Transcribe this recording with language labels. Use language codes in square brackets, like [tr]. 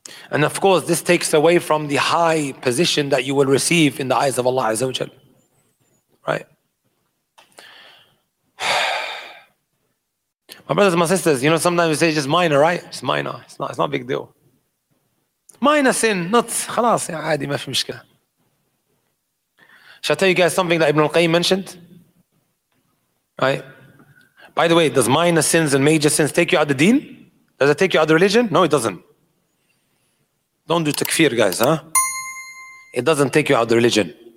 [en] And of course, this takes away from the high position that you will receive in the eyes of Allah Azza wa Jal. Right? My brothers and my sisters, you know, sometimes we say it's just minor, right? It's minor. It's not a big deal. Minor sin, not [ar] خلاص يا عادي ما في مشكلة. [en] Shall I tell you guys something that Ibn al-Qayyim mentioned? Right? By the way, does minor sins and major sins take you out of the deen? Does it take you out of the religion? No, it doesn't. Don't do takfir, guys, huh? It doesn't take you out of the religion.